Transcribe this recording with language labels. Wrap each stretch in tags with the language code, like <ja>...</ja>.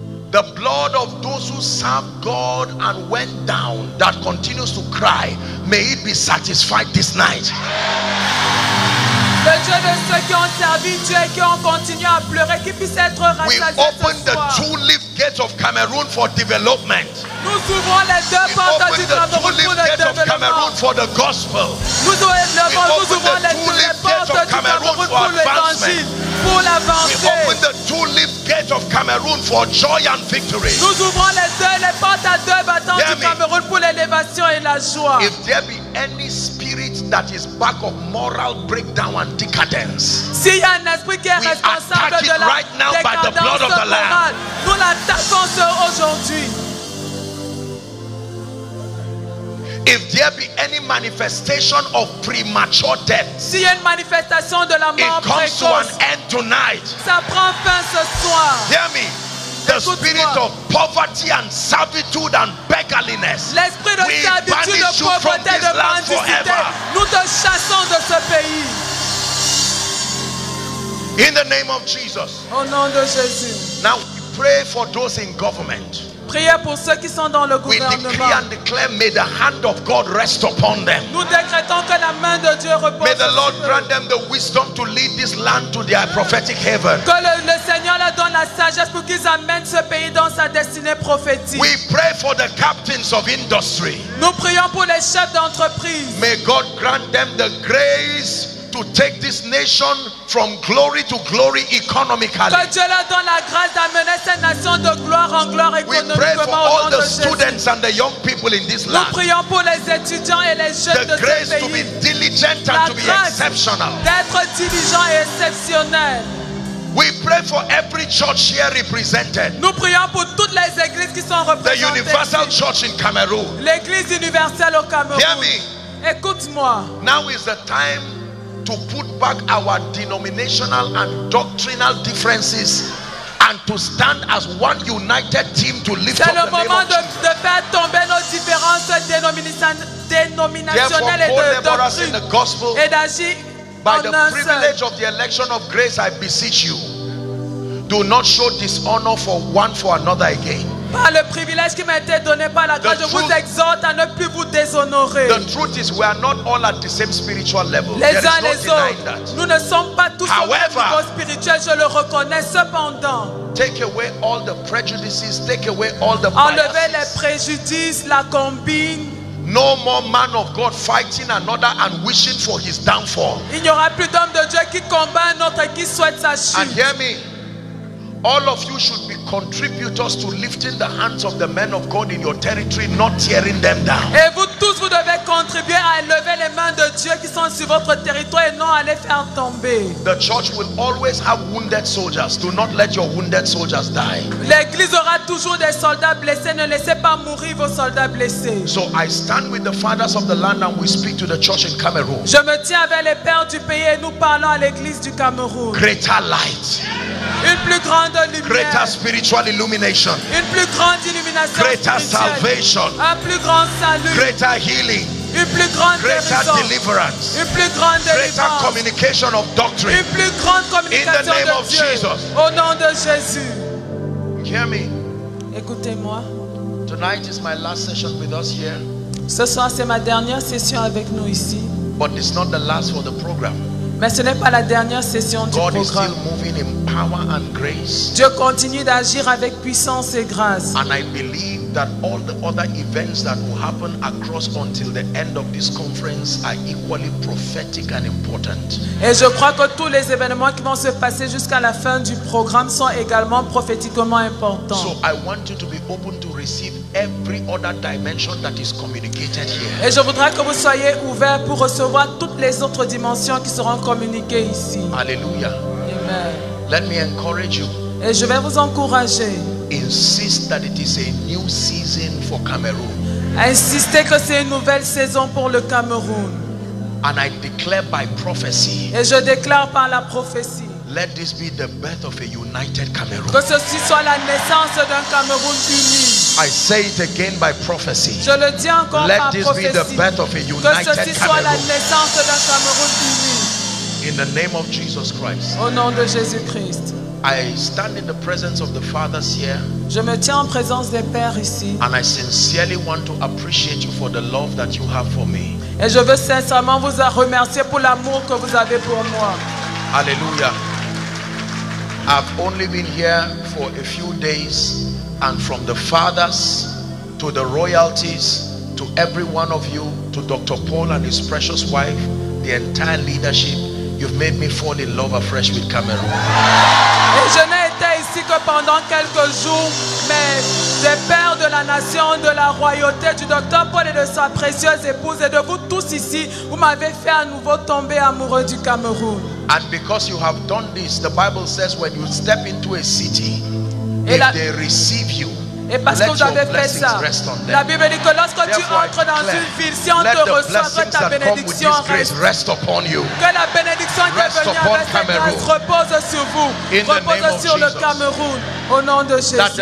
<en>The blood of those who served God and went down that continues to cry, may it be satisfied this night.</en> <fr>Le Dieu de ceux qui ont servi Dieu et qui ont continué à pleurer, qui puisse être rassasié ce soir.</fr> <en>We open the two lift gates of Cameroon for development.</en> <fr>Nous ouvrons les deux portes du Cameroun pour le développement.</fr> <en>For the gospel.</en> <fr>Nous ouvrons les deux portes du Cameroun pour l'évangile. Pour l'avancer.</fr> <en>We open the two lift gates of Cameroon for joy and victory.</en> <fr>Nous ouvrons les deux les portes à deux battants du Cameroun pour l'élévation et la joie.</fr> <en>If there be any spirit that is back of moral breakdown and decadence,</en> <fr>si y a un esprit qui est responsable de la décadence morale, nous l'attaquons aujourd'hui.</fr> <en>If there be any manifestation of premature death,</en> <fr>si y a une manifestation de la mort</fr> <en>it comes</en> <fr>précoce,</fr> <en>to an end tonight.</en> <fr>Ça prend fin ce soir.</fr> <en>Hear me. The spirit of poverty and servitude and beggarliness.</en> <fr>L'esprit de servitude, de pauvreté, de mendicité. Nous te chassons de ce pays.</fr> <en>In the name of Jesus.</en> <fr>Au nom de Jésus.</fr> <en>Now we pray for those in government.</en> <fr>Priez pour ceux qui sont dans le gouvernement.</fr> <en>We decree and declare, may the hand of God rest upon them.</en> <fr>Nous décrétons que la main de Dieu repose sur eux.</fr> <en>May the Lord grant them the wisdom to lead this land to their prophetic heaven.</en> <fr>Que le Seigneur leur donne la sagesse pour qu'ils amènent ce pays dans sa destinée prophétique.</fr> <en>We pray for the captains of industry.</en> <fr>Nous prions pour les chefs d'entreprise.</fr> <en>May God grant them the grace to take this nation from glory to glory economically.</en> <fr>Que Dieu leur donne la grâce d'amener cette nation de gloire en gloire économiquement.</fr> <en>We pray for all the students and the young people in this land.</en> <fr>Nous prions pour les étudiants et les jeunes de ce pays.</fr> <en>The grace to be diligent and to be exceptional.</en> <fr>D'être diligent et exceptionnel.</fr> <en>We pray for every church here represented.</en> <fr>Nous prions pour toutes les églises qui sont représentées.</fr> <en>The universal church in Cameroon.</en> <fr>L'église universelle au Cameroun.</fr> <en>Hear me.</en> <fr>Écoute-moi.</fr> <en>Now is the time to put back our denominational and doctrinal differences and to stand as one united team to lift</en> <fr>c'est</fr> <en>up the name of Jesus.</en> <fr>C'est le moment de faire tomber nos différences dénominationnelles et de doctrine et d'agir</fr> <en>by the privilege of the election of grace, I beseech you, do not show dishonor for one for another again.</en> <fr>Par le privilège qui m'a été donné par la grâce, je vous exhorte à ne plus vous déshonorer.</fr> <en>The truth is, we are not all at the same spiritual level.</en> <fr>Les uns les autres, nous ne sommes pas tous au même niveau spirituel, je le reconnais. Cependant,</fr> <en>take away all the prejudices, take away all the biases.</en> <fr>Enlevez les préjudices, la combine.</fr> <en>No more man of God fighting another and wishing for his downfall.</en> <fr>Il n'y aura plus d'homme de Dieu qui combat un autre et qui souhaite sa chute.</fr> <en>And hear me. All of you should be contributors to lifting the hands of the men of God in your territory, not tearing them down.</en> <fr>Et vous tous, vous devez contribuer à élever les mains de Dieu qui sont sur votre territoire et non à les faire tomber.</fr> <en>The church will always have wounded soldiers. Do not let your wounded soldiers die.</en> <fr>L'église aura toujours des soldats blessés. Ne laissez pas mourir vos soldats blessés.</fr> <en>So I stand with the fathers of the land and we speak to the church in Cameroon.</en> <fr>Je me tiens avec les pères du pays et nous parlons à l'église du Cameroun.</fr> <en>Greater light.</en> <fr>Une plus grande lumière.</fr> <en>Greater spiritual illumination.</en> <fr>Une plus grande illumination.</fr> <en>Greater salvation.</en> <fr>Un plus grand salut.</fr> <en>Greater healing.</en> <fr>Une plus grande</fr> <en>greater</en> <fr>guérison.</fr> <en>Deliverance.</en> <fr>Une plus grande</fr> <en>greater deliverance. Communication of doctrine.</en> <fr>Une plus grande communication</fr> <en>in the name</en> <fr>de</fr> <en>of</en> <fr>Dieu.</fr> <en>Jesus.</en> <fr>Au nom de Jésus.</fr> <en>Hear me.</en> <fr>Écoutez-moi.</fr> <en>Tonight is my last session with us here.</en> <fr>Ce soir c'est ma dernière session avec nous ici.</fr> <en>But it's not the last for the program.</en> <fr>Mais ce n'est pas la dernière session du</fr> <en>God</en> <fr>programme.</fr> <en>Is still moving in power and grace.</en> <fr>Dieu continue d'agir avec puissance et grâce.</fr> <en>And I believe that all the other events that will happen across until the end of this conference are equally prophetic and important.</en> <fr>Et je crois que tous les événements qui vont se passer jusqu'à la fin du programme sont également prophétiquement importants.</fr> <en>So I want you to be open to receive every other dimension that is communicated here.</en> <fr>Et je voudrais que vous soyez ouverts pour recevoir toutes les autres dimensions qui seront communiquées ici.</fr> <en>Alléluia. Let me encourage you.</en> <fr>Et je vais vous encourager.</fr> <en>Insist that it is a new season for Cameroon.</en> <fr>Insistez que c'est une nouvelle saison pour le Cameroun.</fr> <en>And I declare by prophecy.</en> <fr>Et je déclare par la prophétie.</fr> <en>Let this be the birth of a united Cameroon.</en> <fr>Que ceci soit la naissance d'un Cameroun uni.</fr> <en>I say it again by prophecy.</en> <fr>Je le dis encore</fr> <en>Let</en> <fr>par</fr> <en>this</en> <fr>prophétie.</fr> <en>Be the birth of a united Cameroon.</en> <fr>Que ceci</fr> <en>Cameroon.</en> <fr>Soit la naissance d'un Cameroun uni.</fr> <en>In the name of Jesus Christ.</en> <fr>Au nom de Jésus Christ.</fr> <en>I stand in the presence of the fathers here.</en> <fr>Je me tiens en présence des pères ici.</fr> <en>And I sincerely want to appreciate you for the love that you have for me.</en> <fr>Et je veux sincèrement vous remercier pour l'amour que vous avez pour moi.</fr> <en>Alléluia. I've only been here for a few days, and from the fathers to the royalties, to every one of you, to Dr. Paul and his precious wife, the entire leadership, you've made me fall in love afresh with Cameroon.</en> <fr>Et je n'ai été ici que pendant quelques jours, mais des pères de la nation, de la royauté, du Dr. Paul et de sa précieuse épouse, et de vous tous ici, vous m'avez fait à nouveau tomber amoureux du Cameroun.</fr> <en>And because you have done this, the Bible says when you step into a city, if they receive you,</en> <fr>et parce que vous avez fait ça, la Bible dit que lorsque tu entres dans une ville, si on te reçoit, ta bénédiction reste. Que la bénédiction qui est venue avec Cameroun repose sur vous, repose sur le Cameroun, au nom de Jésus.</fr>